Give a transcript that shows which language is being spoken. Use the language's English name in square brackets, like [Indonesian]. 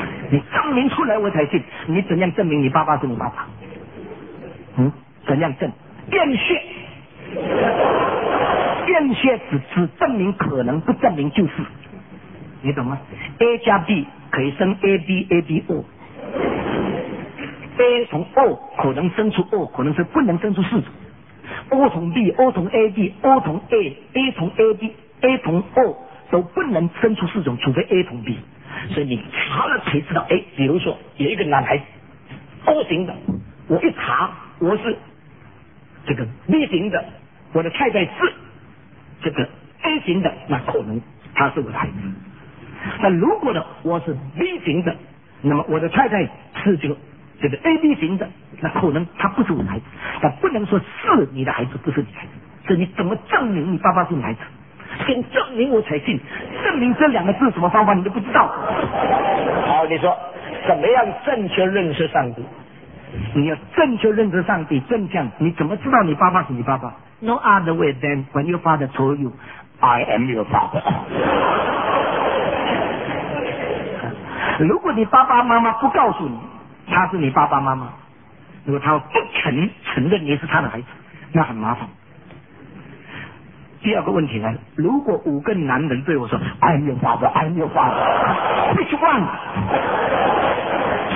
[Chinese] 你证明出来我才信。你怎样证明你爸爸是你爸爸？怎样证？验血。验血只证明可能，不证明就是，你懂吗？ A 加 B 可以生 AB ABO， A 从 O 可能生出 O， 可能是不能生出四种。 O 从 B， O 从 AB， O 从 A， A 从 AB， A 从 O 都不能生出四种，除非 A 从 B。所以你查了才知道，哎，比如说有一个男孩 O 型的，我一查我是这个 B 型的，我的太太是这个 A 型的，那可能他是我的孩子。那如果呢，我是 B 型的，那么我的太太是这个 AB 型的，那可能他不是我的孩子。但不能说是你的孩子不是你的孩子，所以你怎么证明你爸爸是你的孩子？先证明我才信。证明这两个字什么方法你都不知道。好，你说怎么样正确认识上帝？你要正确认识上帝，正向，你怎么知道你爸爸是你爸爸？ [English] No other way than when your father told you I am your father。 [Chinese] 如果你爸爸妈妈不告诉你他是你爸爸妈妈，如果他不肯承认你是他的孩子，那很麻烦。第二个问题来了，如果五个男人对我说 [English] I'm your father I'm your father Which one？